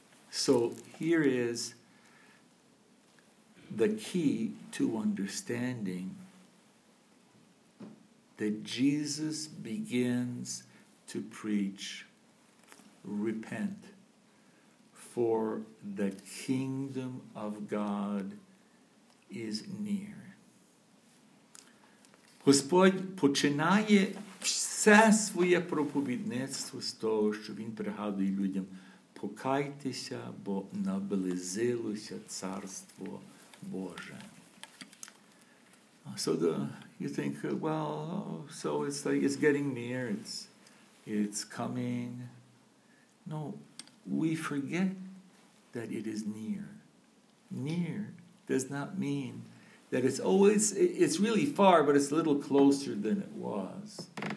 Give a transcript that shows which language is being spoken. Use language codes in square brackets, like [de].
[en] So here is the key to understanding that Jesus begins to preach, repent, for the kingdom of God is near. [uk] Господь починає все своє проповідництво з того, що він пригадує людям: покайтеся, бо наблизилося царство Боже. [en] So you think, well, so it's like it's getting near, it's coming. No, we forget that it is near. Near does not mean that it's really far, but it's a little closer than it was.